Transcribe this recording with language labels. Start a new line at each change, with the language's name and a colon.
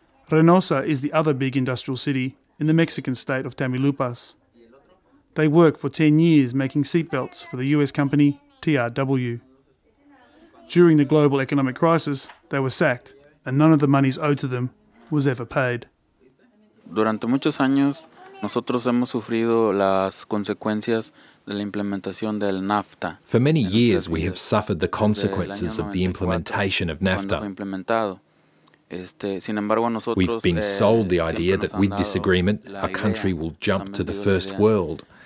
English: Reynosa is the other big industrial city in the Mexican state of Tamaulipas. They work for 10 years making seatbelts for the U.S. company TRW. During the global economic crisis, they were sacked, and none of the monies owed to them was ever paid.
Spanish: Durante muchos años, nosotros hemos sufrido las consecuencias de la implementación del NAFTA.
English: For many years, we have suffered the consequences of the implementation of NAFTA. We've been sold the idea that with this agreement, our country will jump to the first world.